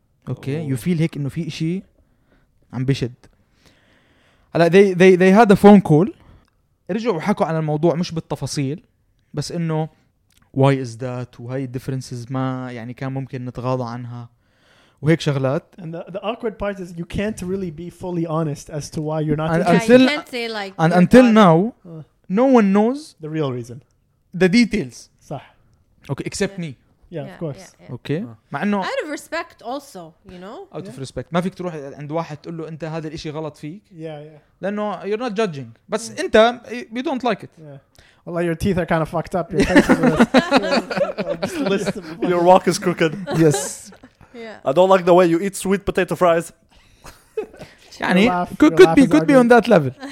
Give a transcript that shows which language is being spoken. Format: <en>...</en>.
<en>Okay. Oh. You feel</en> <ar>هيك إنه في إشي عم بشد. هلا</ar> <en>they had a phone call.</en> <ar>رجعوا وحكوا عن الموضوع مش بالتفاصيل بس إنه</ar> <en>why is that</en> <ar>وهاي differences ما يعني كان ممكن نتغاضى عنها. وهيك شغلات.</ar> <en>And the awkward part is you can't really be fully honest as to why you're not. And until, you can't say like. And until now, no one knows the real reason, the details.</en> <ar>صح.</ar> <en>Okay, except yeah. me. Yeah, yeah, of course. Yeah, yeah. Okay.</en> <ar>مع إنه.</ar> <en>Out of respect, also, you know. Out of respect.</en> <ar>ما فيك تروح عند واحد تقول له أنت هذا الإشي غلط فيك.</ar> <en>Yeah, yeah.</en> <ar>لأنه</ar> <en>you're not judging.</en> <ar>بس</ar> <en>yeah.</en> <ar>أنت</ar> <en>you don't like it. Yeah. Well, like your teeth are kind of fucked up. Your, just your walk is crooked. Yes. Yeah. I don't like the way you eat sweet potato fries.</en> <ar>يعني</ar> <en>could be on that level.</en>